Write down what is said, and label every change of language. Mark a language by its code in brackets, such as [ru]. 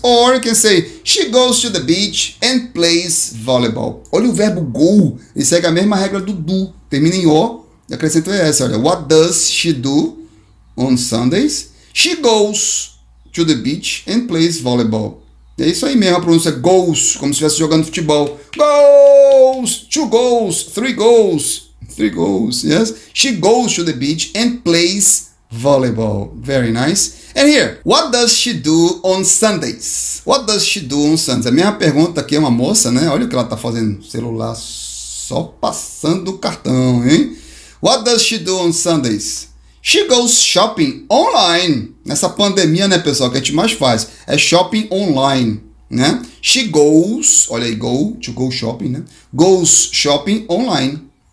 [en] Or you can say, she goes to the beach and plays volleyball. [pt] Olha o verbo go. Ele segue a mesma regra do do. Termina em O e acrescenta o S. Olha. [en] What does she do on Sundays? She goes to the beach and plays volleyball. [pt] É isso aí mesmo, a pronúncia goes, como se estivesse jogando futebol. [en] Goals, two goals, three goals, three goals, yes? She goes to the beach and plays volleyball. Very nice. And here, what does she do on Sundays? What does she do on Sundays? [pt] A minha pergunta aqui é uma moça, né? Olha o que ela está fazendo, celular só passando o cartão, hein? [en] What does she do on Sundays? She goes shopping online. [pt] Nessa pandemia, né, pessoal, que a gente mais faz é shopping online, né? [en] She goes, [pt] olha aí, [en] go, to go shopping, né? Goes shopping online.